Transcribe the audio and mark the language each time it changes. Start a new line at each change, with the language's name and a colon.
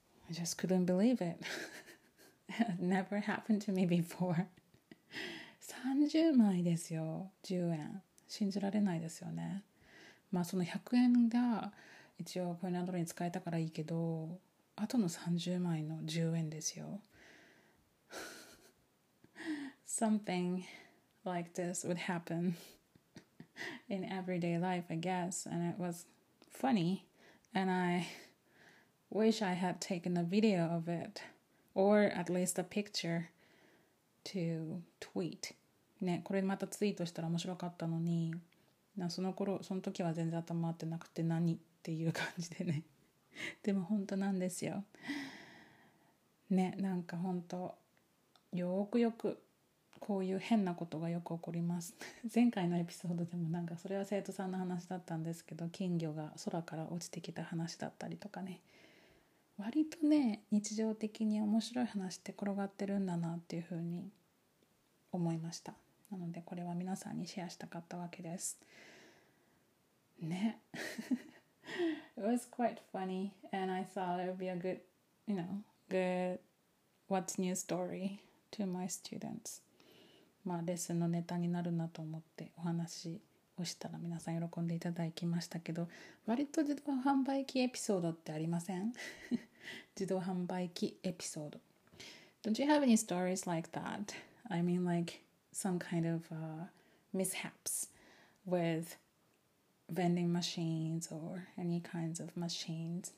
English: I just couldn't believe it. Never happened to me before.
Japanese: 30枚ですよ、10円。信じられないですよね。まあその100円が一応コインランドリーに使えたからいいけど、あとの30枚の10円ですよ。
English: Something like this would happen in everyday life, I guess. And it was funny. And I wish I had taken a video of it. Or at least a picture. to tweet
Japanese: ね、これまたツイートしたら面白かったのに、なその頃その時は全然頭回ってなくて何っていう感じでねでも本当なんですよね、なんか本当よくよくこういう変なことがよく起こります前回のエピソードでもなんかそれは生徒さんの話だったんですけど、金魚が空から落ちてきた話だったりとかね、割とね日常的に面白い話って転がってるんだなっていう風に思いました。なのでこれは皆さんにシェアしたかったわけですね。
English: It was quite funny and I thought it would be a good, you know, good what's new story to my students.
Japanese: まあレッスンのネタになるなと思ってお話をしたら皆さん喜んでいただきましたけど、割と自動販売機エピソードってありません？自動販売機エピソード。
English: Don't you have any stories like that? I mean, like, some kind of mishaps with vending machines or any kinds of machines.